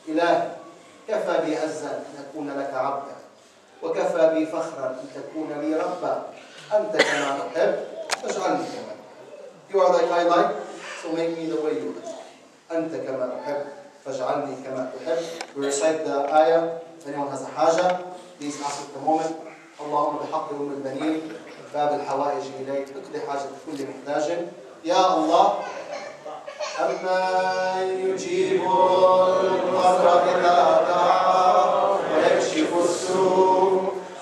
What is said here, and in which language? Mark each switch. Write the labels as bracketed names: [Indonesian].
[Arabic] Ilahi, كفى بي عزا ان اكون لك عبدا وكفى بي فخرا ان تكون لي ربا انت كما احب فاجعلني كما احب. [English] You are like I like, so make me the way you like. [Arabic] انت كما احب فاجعلني كما احب. [English] We recite the ayah. If anyone has a haja, please ask at the moment. [Arabic] اللهم بحق ام البنين باب الحوائج اليك اقضي حاجه كل محتاج. يا الله أمن يجيب المضطر إذا دعا ويكشف السوء